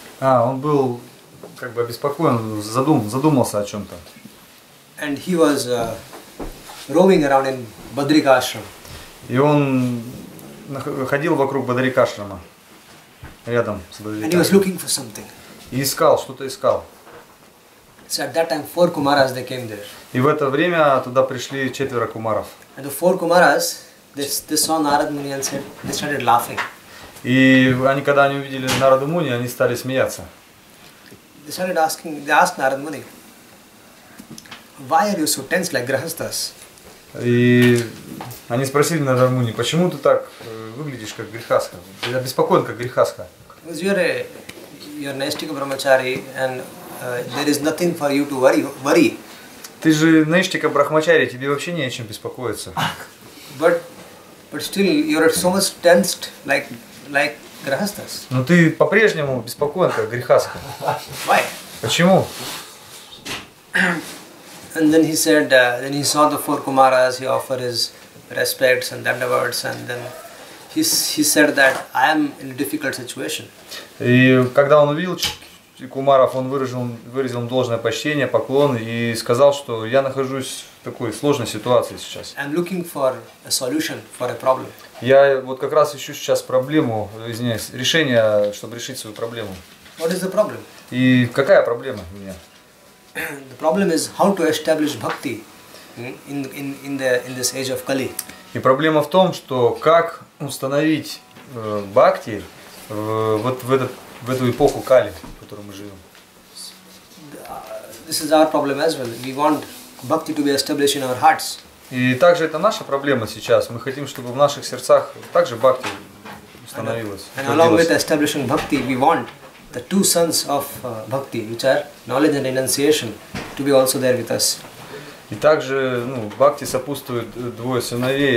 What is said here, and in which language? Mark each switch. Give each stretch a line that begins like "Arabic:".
Russian: А, он был как бы обеспокоен, задумался о чем-то.
English: And he was roaming around in Badrikashram.
Russian: И он ходил вокруг Бадрикашрама, рядом с Бадрикашрамом.
English: And he was looking for something.
Russian: И искал, что-то искал.
English: So at that time four Kumaras they came there.
Russian: И в это время туда пришли четверо кумаров.
English: And the four Kumaras, they saw Narad Muni and said, they started laughing.
Russian: И они, когда они увидели Narada Muni, они стали смеяться.
English: They started asking, they asked Narad Muni, why are you so tense like grihasthas?
Russian: И они спросили Narada Muni, почему ты так выглядишь как грихаска? Ты обеспокоен как грихаска?
English: Because you're Naishthika Brahmachari and there is nothing for you to worry.
Russian: Ты же Naishthika Brahmachari, тебе вообще не о чем беспокоиться.
English: But still you're so much tensed like grihasthas.
Russian: Но ты по-прежнему беспокоен как грихаска.
English: Why?
Russian: Почему?
English: And then he said, then he saw the four Kumaras, he offered his respects and dandavats, and then he said that I am in a difficult situation.
Russian: И когда он увидел Кумаров, он выразил им должное почтение, поклон и сказал, что я нахожусь в такой сложной ситуации сейчас.
English: I'm looking for a solution for a problem.
Russian: Я вот как раз ищу сейчас проблему, извиняюсь, решение, чтобы решить свою проблему.
English: What is the problem?
Russian: И какая проблема у меня?
English: The problem is how to establish bhakti in this age of Kali.
Russian: И проблема в том, что как установить бхакти в эту эпоху Кали, в которой мы живем.
English: This is our problem as well. We want bhakti to be established in our hearts.
Russian: И также это наша проблема сейчас. Мы хотим, чтобы в наших сердцах также бхакти установилась.
English: And along with establishing bhakti, we want the two sons of bhakti, which are knowledge and renunciation, to be also there with us.
Russian: И также, ну, бхакти сопутствует двое сыновей.